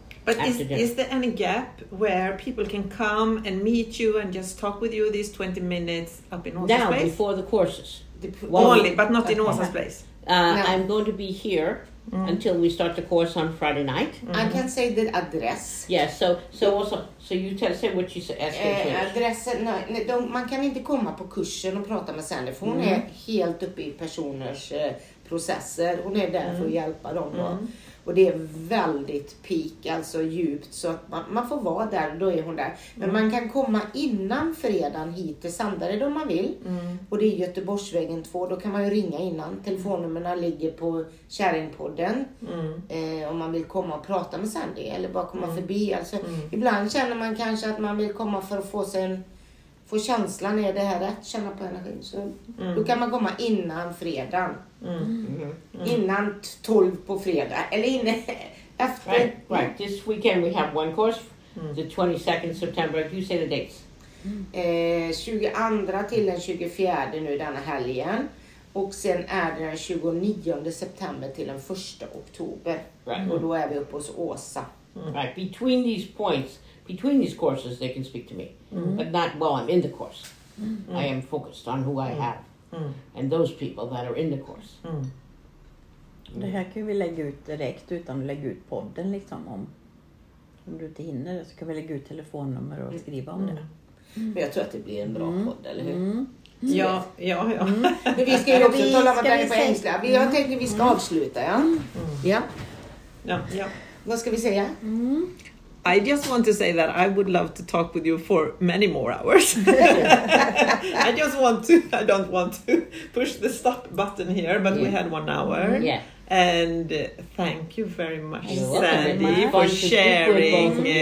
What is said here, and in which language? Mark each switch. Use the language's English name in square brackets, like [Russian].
[English] But is there any gap where people can come and meet you and just talk with you these 20 minutes up in Åsa's now, place? Now, before the courses. But not in Åsa's place. No. I'm going to be here until we start the course on Friday night. I can say the address. Yes, so you say what you say. [Swedish] Adressen, man kan inte komma på kursen och prata med Sandy, för hon är helt uppe i personers processer. Hon är där för att hjälpa dem. Och det är väldigt peak, alltså djupt. Så att man får vara där, då är hon där. Men man kan komma innan fredagen hit till Sandared om man vill. Och det är Göteborgsvägen 2. Då kan man ju ringa innan. Telefonnumren ligger på Käringpodden. Om man vill komma och prata med Sandy. Eller bara komma förbi. Alltså, ibland känner man kanske att man vill komma för att få sig en... Få känslan, är det här rätt? Känna på energin. Så då kan man komma innan fredagen. Innan 12 på fredag. Eller inne efter. [English] Right. This weekend we have one course. The 22nd September. You say the dates. [Swedish] 22 till den 24 nu denna helgen. Och sen är det den 29 september till den 1 oktober. [English] Right. [Swedish] Och då är vi uppe hos Åsa. [English] Right. Between these points. Between these courses, they can speak to me, but not while I'm in the course. I am focused on who I have and those people that are in the course. [Swedish] Det här kan vi lägga ut direkt utan att lägga ut podden, liksom, om du inte hinner, så kan vi lägga ut telefonnummer och skriva om det. Men jag tror att det blir en bra podd, eller hur? Ja. Vi ska ju också tala med dig på engelska. Vi har tänkt att vi ska avsluta, ja? Ja. Vad ska vi säga? [English] I just want to say that I would love to talk with you for many more hours. I just want to, I don't want to push the stop button here, but we had 1 hour. And thank you very much, Sandy, for sharing